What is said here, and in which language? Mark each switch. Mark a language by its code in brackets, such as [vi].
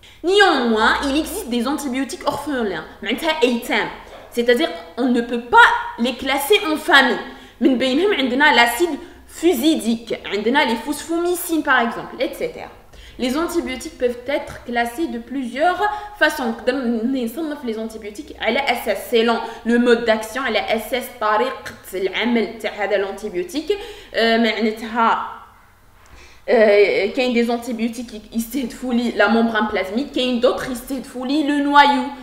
[fr] Néanmoins, il existe des antibiotiques orphelins. C'est-à-dire on ne peut pas les classer en famille. [ar] من بينهم عندنا [fr] l'acide fusidique, [ar] عندنا [fr] les fosfomycines par exemple, etc. Les antibiotiques peuvent être classés de plusieurs façons. [ar] نصنف [fr] les antibiotiques [ar] على اساس [fr] selon le mode d'action, [ar] على اساس طريقة العمل تاع هذا الانتيبيوتيك. معناتها كاين [fr] des antibiotiques qui [ar] يستهدفوا [fr] la membrane plasmique, [ar] كاين [fr] d'autres qui [ar] يستهدفوا [fr] le noyau.